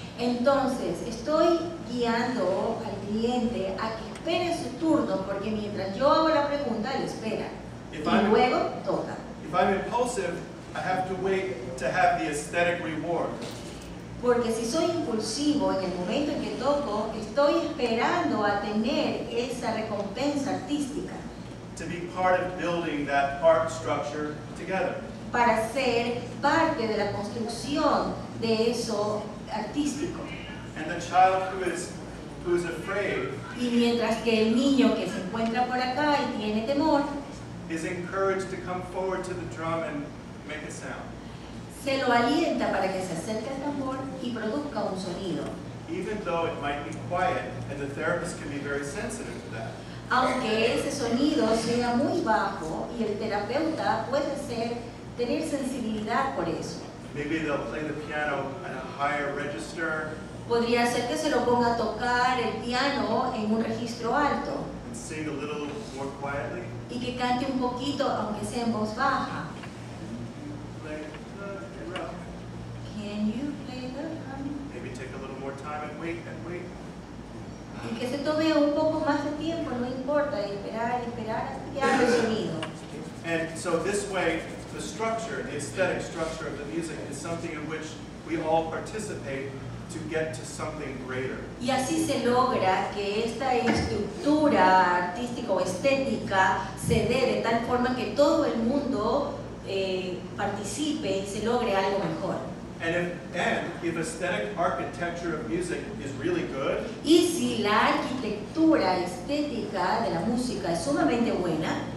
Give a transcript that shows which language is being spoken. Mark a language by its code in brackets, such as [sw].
[es] Entonces, estoy guiando al cliente a que espere su turno porque mientras yo hago la pregunta, él espera. Y luego toca. [en] If I'm impulsive, I have to wait to have the aesthetic reward. [es] Porque si soy impulsivo en el momento en que toco, estoy esperando a tener esa recompensa artística. [en] To be part of building that art structure together. [es] para ser parte de la construcción de eso artístico. [en] And the child who is afraid, [es] y mientras que el niño que se encuentra por acá y tiene temor, [en] is encouraged to come forward to the drum and make a sound. [es] Se lo alienta para que se acerque al tambor y produzca un sonido. [en] Even though it might be quiet, and the therapist can be very sensitive to that. [es] Aunque ese sonido sea muy bajo y el terapeuta puede tener sensibilidad por eso. [en] Maybe they'll play the piano at a higher register. [es] Podría ser que se lo ponga a tocar el piano en un registro alto. [en] And sing a little more quietly. [es] Y que cante un poquito, aunque sea en voz baja. [en] Can you play the harmony? Maybe take a little more time and wait. [es] Y que se tome un poco más de tiempo, no importa, y esperar hasta que haga el sonido. [en] And so this way, the structure, the aesthetic structure of the music is something in which we all participate to get to something greater. [es] Y así se logra que esta estructura artística o estética se dé de tal forma que todo el mundo participe y se logre algo mejor. [en] And if aesthetic architecture of music is really good, [es] y si la arquitectura estética de la música es sumamente buena,